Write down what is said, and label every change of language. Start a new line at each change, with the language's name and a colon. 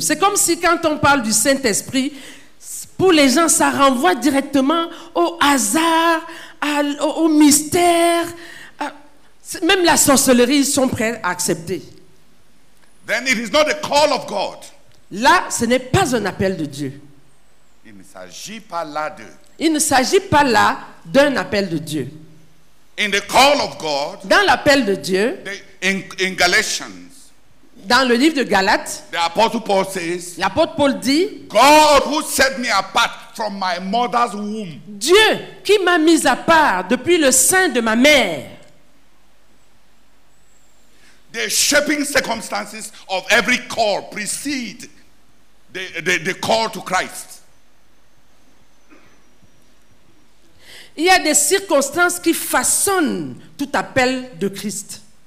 French: C'est comme si quand on parle du Saint-Esprit, pour les gens, ça renvoie directement au hasard, au mystère. Même la sorcellerie, ils sont prêts à accepter.
English: Then it is not a call of God.
French: Là, ce n'est pas un appel de Dieu. Il ne s'agit pas là de. Il ne s'agit pas là d'un appel de Dieu.
English: In the call of God,
French: dans l'appel de Dieu,
English: in Galatians,
French: dans le livre de Galates,
English: the Apostle Paul says,
French: l'apôtre Paul dit,
English: God who set me apart from my mother's womb.
French: Dieu qui m'a mis à part depuis le sein de ma mère.
English: The shaping circumstances of every call precede the call to Christ.
French: Il y a des circonstances qui façonnent tout appel de Christ.